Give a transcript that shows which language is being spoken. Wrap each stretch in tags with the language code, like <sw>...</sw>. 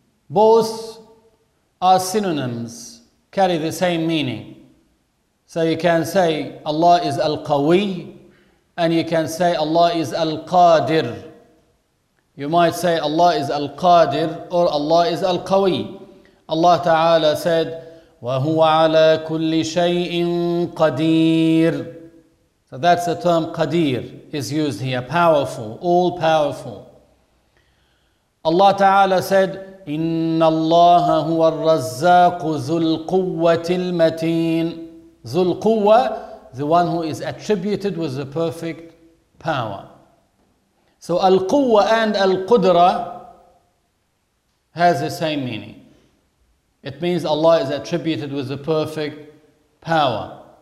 <en>Both are synonyms, carry the same meaning. So you can say Allah is al-qawi, and you can say Allah is al-qadir. You might say Allah is al-qadir or Allah is al-qawi. Allah Ta'ala said,</en> <ar>وَهُوَ عَلَى كُلِّ شَيْءٍ قَدِيرٍ.</ar> <en>So that's the term Qadir is used here. Powerful, all powerful. Allah Ta'ala said,</en> <ar>إِنَّ اللَّهَ هُوَ الرَّزَّاقُ ذُو الْقُوَّةِ الْمَتِينَ. ذُو الْقُوَّةِ,</ar> <en>the one who is attributed with the perfect power. So Al-Quwwa and Al-Qudra has the same meaning. It means Allah is attributed with the perfect power.</en>